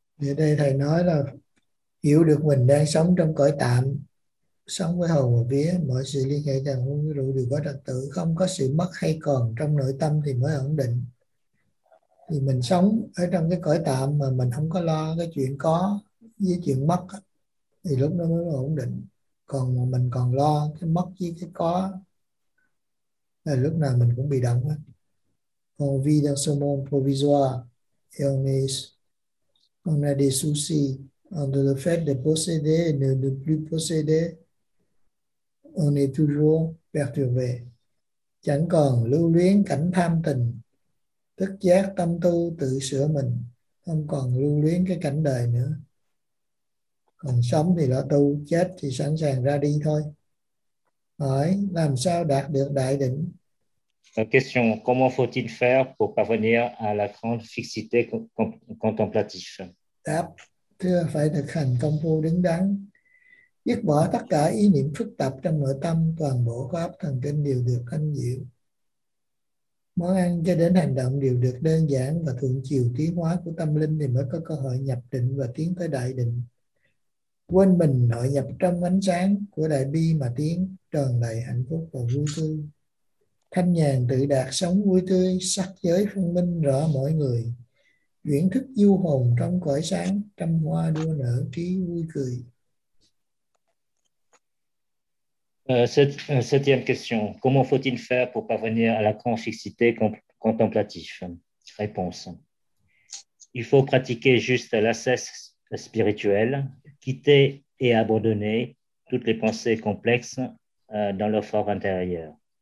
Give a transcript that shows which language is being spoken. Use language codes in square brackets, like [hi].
[vi] Et đây thầy nói là hiểu được mình đang sống trong cõi tạm, sống với hồn và vía, mọi sự liên hệ càng vũ trụ đều có trật tự, không có sự mất hay còn trong nội tâm thì mới ổn định. Thì mình sống ở trong cái cõi tạm mà mình không có lo cái chuyện có với chuyện mất thì lúc đó mới ổn định. Còn mình còn lo cái mất với cái có là lúc nào mình cũng bị động. [fr] On vit dans ce monde provisoire et on a des soucis entre le fait de posséder et de ne plus posséder, on est toujours perturbé. [vi] Chẳng còn lưu luyến cảnh tham tình, thức giác tâm tu tự sửa mình, không còn lưu luyến cái cảnh đời nữa. Còn sống thì lo tu, chết thì sẵn sàng ra đi thôi. Hỏi làm sao đạt được đại định. [fr] Question, comment faut-il faire pour parvenir à la grande fixité contemplative? [vi] Đáp, thưa phải thực hành công phu đứng đắn, dứt bỏ tất cả ý niệm phức tạp trong nội tâm, toàn bộ khối óc thần kinh đều được thanh diệu. Món ăn cho đến hành động đều được đơn giản và thuận chiều tiến hóa của tâm linh thì mới có cơ hội nhập định và tiến tới đại định. Quên mình nội nhập trong ánh sáng của đại bi mà tiến tròn đầy hạnh phúc và vui tươi. Thanh nhàn tự đạt sống vui tươi, sắc giới phân minh rõ mọi người. Chuyển thức du hồn trong cõi sáng, trăm hoa đua nở trí vui cười. [fr] Septième question. Comment faut-il faire pour parvenir à la grande fixité contemplative? Réponse. Il faut pratiquer juste la cesse spirituelle, quitter et abandonner toutes les pensées complexes dans le fort intérieur.